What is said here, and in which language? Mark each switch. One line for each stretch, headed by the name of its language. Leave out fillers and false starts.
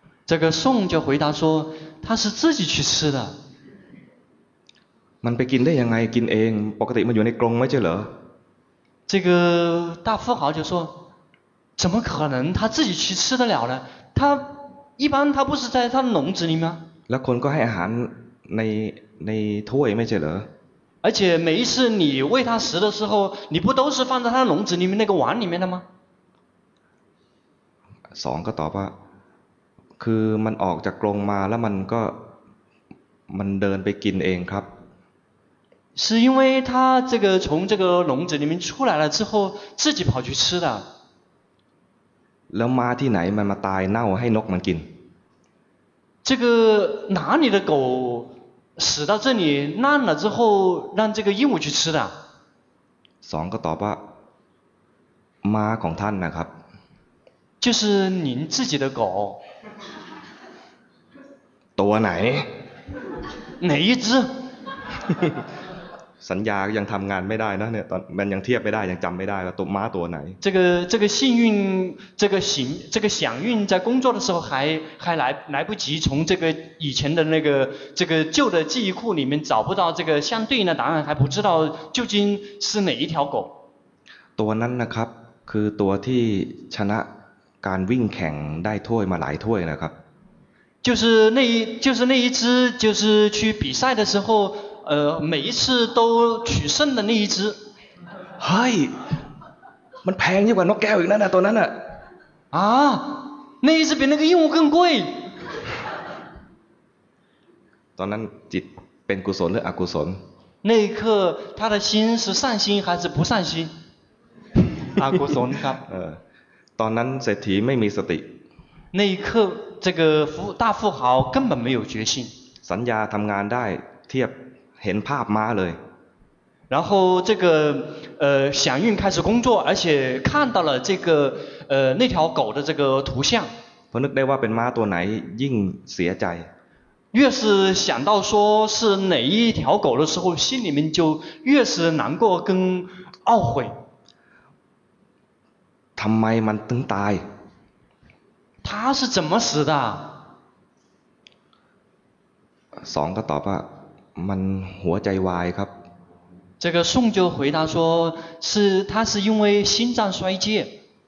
Chinese: 这个宋就回答说他是自己去吃的
Thai: มันไปกินได้ยังไงกินเองปกติมันอยู่ในกรงไม่ใช่เหร
Chinese: อ这个大富豪就说怎么可能他自己去吃得了呢他一般他不是在他的笼子里吗
Thai: แล้วคนก็ให้อาหารในถ้วยไม่ใช่เหรอ
Chinese: 而且每一次你喂他食的时候你不都是放在他的笼子里面那个碗里面的吗
Thai: สองก็ตอบว่าคือมันออกจากกรงมาแล้วมันเดินไปกินเองครับ
Chinese: 是因为他这个从这个笼子里面出来了之后自己跑去吃的
Thai: แล้วมาที่ไหนมันมาตายเน่าให้นกมันกิน
Chinese: 这个哪里的狗死到这里烂了之后让这个鹦鹉去吃的
Thai: สองก็ตอบว่ามาของท่านนะครับ
Chinese: 就是您自己的狗
Thai: ตัวไหน
Chinese: 哪一只
Thai: สัญญายังทำงานไม่ได้นะเนี่ยตอนมันยังเทียบไม่ได้ยังจำไม่ได้ว่าตัวม้าตัวไหน
Chinese: 这个幸运这个响应在工作的时候还来不及从这个以前的那个这个旧的记忆库里面找不到这个相对应的答案还不知道究竟是哪一条狗
Thai: ตัวนั้นนะครับคือตัวที่ชนะการวิ่งแข่งได้ถ้วยมาหลายถ้วยนะครับ
Chinese: 就是那一只就是去比赛的时候每一次都取胜的那一只
Thai: 嗨มันแพงยิ่งกว่านกแก้วอีกนั่นน่ะตัวนั้นน่ะ
Chinese: 啊那一只比那个鹦鹉更贵
Thai: ตอนนั้นจิตเป็นกุศลหรืออกุศล
Chinese: 那一刻他的心是善心还是不善心
Thai: อกุศลครับ ตอนนั้นเศรษฐีไม่มีสติ
Chinese: 那一刻这个大富豪根本没有决心
Thai: สัญญาทำงานได้เทียบเห็นภาพม้าเลย
Chinese: 然后这个响应开始工作而且看到了这个那条狗的这个图像
Thai: พอนึกได้ว่าเป็นม้าตัวไหนยิ่งเสียใจ
Chinese: 越是想到说是哪一条狗的时候心里面就越是难过跟懊悔
Thai: ทำไมมันถึงตาย
Chinese: 他是怎么死的
Thai: สองก็ตอบว่ามันหัวใจวายครับ
Chinese: 这个宋就回答说是他是因为心脏衰竭